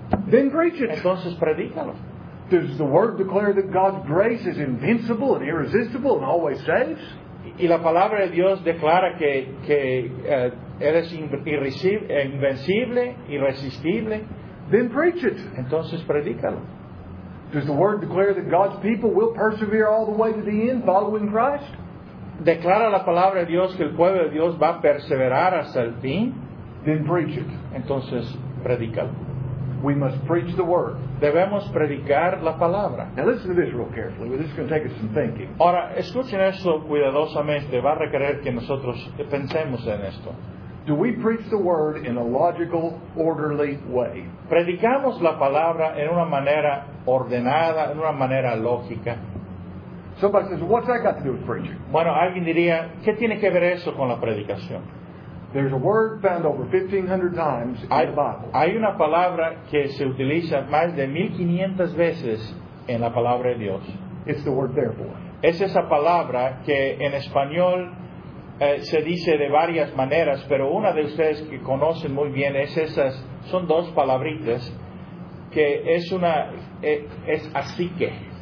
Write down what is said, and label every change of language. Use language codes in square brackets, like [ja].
[en] Then preach it. [es] Entonces predícalo. [en] Does the word declare that God's grace is invincible and irresistible and always saves? [es] Y la palabra de Dios declara que eres invencible, irresistible. [en] Then preach it. [es] Entonces predícalo. [en] Does the word declare that God's people will persevere all the way to the end following Christ? [es] Declara la palabra de Dios que el pueblo de Dios va a perseverar hasta el fin. [en] Then preach it. [es] Entonces predícalo. [en] We must preach the word. [es] Debemos predicar la palabra. [en] Now listen to this real carefully. This is going to take us some thinking. [es] Ahora, escuchen esto cuidadosamente. Va a requerir que nosotros pensemos en esto. [en] Do we preach the word in a logical, orderly way? [es] ¿Predicamos la palabra en una manera ordenada, en una manera lógica? [en] Somebody says, what's that got to do with preaching? [es] Bueno, alguien diría, ¿qué tiene que ver eso con la predicación? [en] There's a word found over 1,500 times in the Bible. [es] Hay una palabra que se utiliza más de 1,500 veces en la palabra de Dios. [en] It's the word therefore. [es] Es esa palabra que en español se dice de varias maneras, pero una de ustedes que conocen muy bien es esas, son dos palabritas, que es una, es así que.